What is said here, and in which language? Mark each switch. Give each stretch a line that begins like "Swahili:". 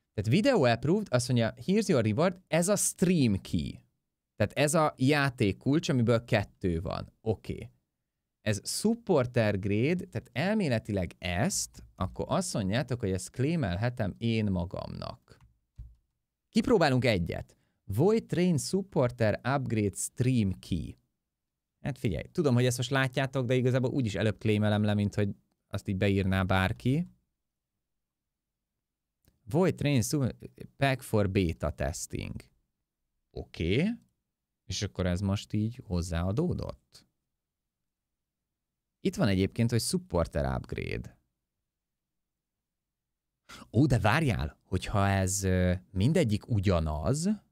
Hungarian: Tehát
English: video approved,
Hungarian: azt mondja,
English: here's your reward,
Hungarian: ez a stream key. Tehát ez a játék kulcs, amiből 2 van. Oké. Ez supporter grade, tehát elméletileg ezt, akkor azt mondjátok, hogy ezt klémelhetem én magamnak. Kipróbálunk egyet.
English: Void train supporter upgrade stream key.
Hungarian: Hát figyelj, tudom, hogy ezt most látjátok, de igazából úgyis előbb klémelem le, mint hogy azt így beírná bárki.
English: Void train pack for beta testing.
Hungarian: Oké. És akkor ez most így hozzáadódott. Itt van egyébként, hogy supporter upgrade. Ó, de várjál, hogyha ez mindegyik ugyanaz.